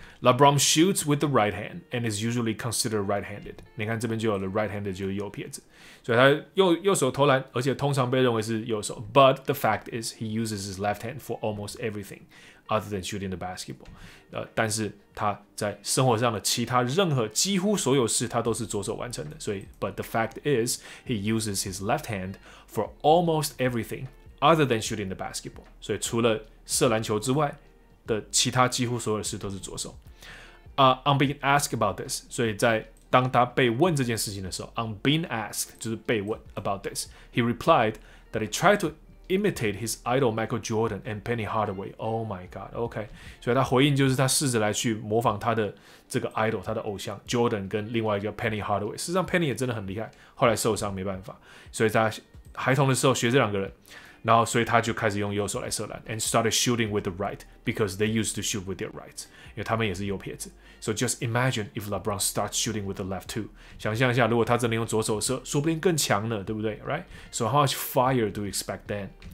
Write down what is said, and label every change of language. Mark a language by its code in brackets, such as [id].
[en] LeBron shoots with the right hand and is usually considered right-handed。 [zh] 你看这边就有了 right-handed， 就是右撇子，所以他右手投篮，而且通常被认为是右手。 [en] But the fact is he uses his left hand for almost everything other than shooting the basketball。 [zh] 但是他在生活上的其他任何几乎所有事他都是左手完成的。 [en] 所以 But the fact is he uses his left hand for almost everything other than shooting the basketball。 [zh] 所以除了射篮球之外的其他几乎所有事都是左手。 [en] I'm being asked about this， [zh] 所以在当他被问这件事情的时候 [en] ，on being asked [zh] 就是被问 [en] about this， he replied that he tried to imitate his idol Michael Jordan and Penny Hardaway。 Oh my god， [zh] OK， 所以他回应就是他试着来去模仿他的这个 idol， 他的偶像 Jordan 跟另外一个 Penny Hardaway。事实上 Penny 也真的很厉害，后来受伤没办法，所以他孩童的时候学这两个人，然后所以他就开始用右手来射篮 ， [en] and started shooting with the right because they used to shoot with their right， [zh] 因为他们也是右撇子。 [en] So just imagine if LeBron starts shooting with the left too. [zh] 想象一下，如果他真的用左手射，说不定更强呢，对不对 ？ [en] Right? So how much fire do you expect then?